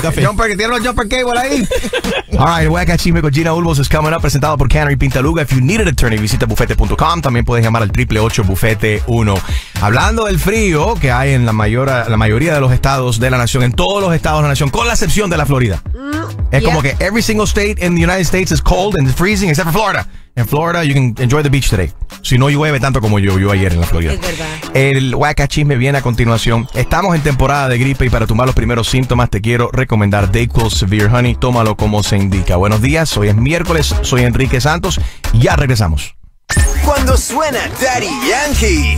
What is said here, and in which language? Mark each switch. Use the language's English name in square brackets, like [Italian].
[Spanish] Jumper, que tiene un jumper cable ahí. [English] All right, [Spanish] voy a cachirme con Gina Ulvos. [English] Es coming up, [Spanish] presentado por [English] Canary Pintaluga. If you need an attorney, [Spanish] visita bufete.com. También puedes llamar al 888-BUFETE-1. Hablando del frío que hay en la mayoría de los estados de la nación, en todos los estados de la nación, con la excepción de la Florida. Como que [English] every single state in the United States is cold and freezing, except for Florida. En Florida, you can enjoy the beach today. [Spanish] Si no llueve tanto como llovió ayer en la Florida. Es verdad. El Waka Chisme viene a continuación. Estamos en temporada de gripe, y para tumbar los primeros síntomas, te quiero recomendar DayQuil Severe Honey. Tómalo como se indica. Buenos días, hoy es miércoles. Soy Enrique Santos. Ya regresamos. Cuando suena Daddy Yankee.